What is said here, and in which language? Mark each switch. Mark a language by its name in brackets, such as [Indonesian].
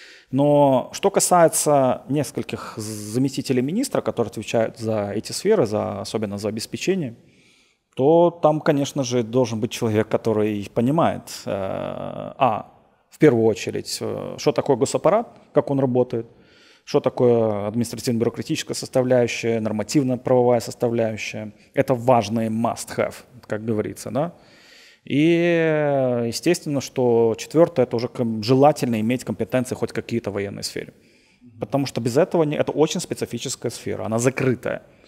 [Russian] Но что касается нескольких заместителей министра, которые отвечают за эти сферы, особенно за обеспечение, то там, конечно же, должен быть человек, который понимает, в первую очередь, что такое госаппарат, как он работает, [Ukrainian] Що таке адміністративно-бюрократична составляюча, нормативно-правова составляюча. Це важливий must-have, як говориться. Да? І, звісно, що четверте – це вже желательно мати компетенції хоч якісь в воєнній сфері. Тому що без цього – це дуже специфічна сфера, вона закрита.